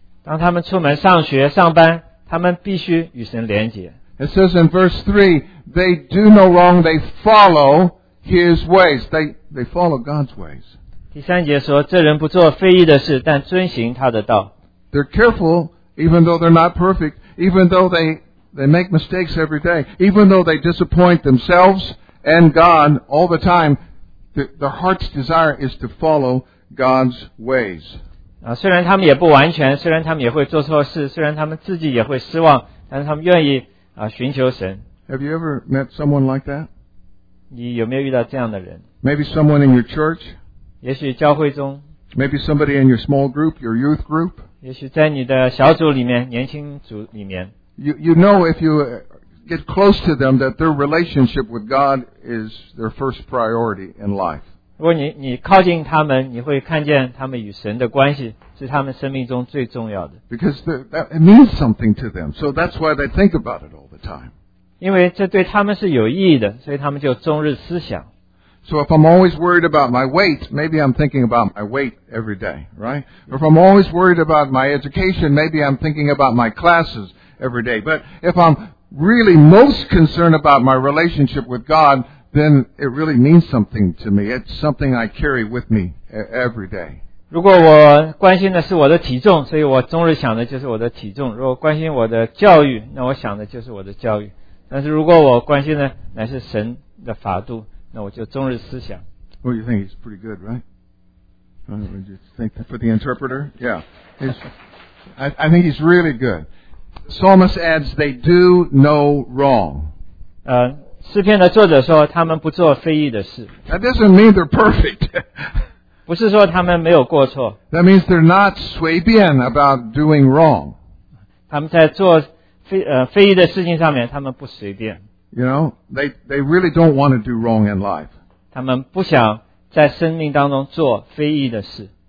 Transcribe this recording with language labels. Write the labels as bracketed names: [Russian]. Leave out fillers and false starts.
[Chinese] 当他们出门上学上班，他们必须与神连接。 [English] It says in verse 3, they do no wrong, they follow His ways. They follow God's ways. [Chinese] 第三节说，这人不做非义的事，但遵行他的道。 [English] They're careful, even though they're not perfect, even though they make mistakes every day, even though they disappoint themselves and God all the time, their heart's desire is to follow God's ways. [Chinese] 虽然他们也不完全，虽然他们也会做错事，虽然他们自己也会失望，但是他们愿意寻求神。 [English] Have you ever met someone like that? [Chinese] 你有没有遇到这样的人？ [English] Maybe someone in your church? [Chinese] 也许教会中， [English] maybe somebody in your small group, your youth group. [Chinese] 也许在你的小组里面，年轻组里面。 [English] You know if you get close to them that their relationship with God is their first priority in life. [Chinese] 如果你靠近他们，你会看见他们与神的关系是他们生命中最重要的。 [English] Because it means something to them, so that's why they think about it all the time. [Chinese] 因为这对他们是有意义的，所以他们就终日思想。 [English] So if I'm always worried about my weight, maybe I'm thinking about my weight every day, right? Or if I'm always worried about my education, maybe I'm thinking about my classes every day. But if I'm really most concerned about my relationship with God, then it really means something to me. It's something I carry with me every day. [Chinese] 如果我关心的是我的体重，所以我终日想的就是我的体重。如果关心我的教育，那我想的就是我的教育。但是如果我关心的乃是神的法度，那我就终日思想。 [English] Well, you think he's pretty good, right? Would you think for the interpreter? Yeah. I think he's really good. Psalmist adds, they do no wrong. [Chinese] 诗篇的作者说他们不做非义的事。 [English] That doesn't mean they're perfect. [Chinese] 不是说他们没有过错。 [English] That means they're not [Chinese] 随便 [English] about doing wrong. [Chinese] 他们在做非义的事情上面他们不随便。 [English] You know, they really don't want to do wrong in life. [Chinese] 他们不想在生命当中做非义的事。